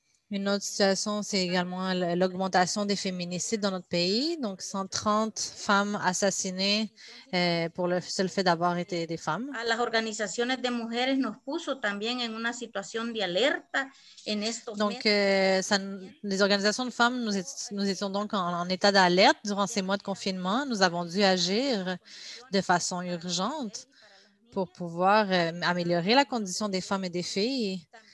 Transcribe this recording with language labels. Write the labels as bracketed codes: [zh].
[fr] Une autre situation, c'est également l'augmentation des féminicides dans notre pays. Donc, 130 femmes assassinées pour le seul fait d'avoir été des femmes. [es] A las organizaciones de mujeres nos puso también en una situación de alerta en estos. [fr] Donc, les organisations de femmes, nous étions donc en état d'alerte durant ces mois de confinement. Nous avons dû agir de façon urgente pour pouvoir améliorer la condition des femmes et des filles.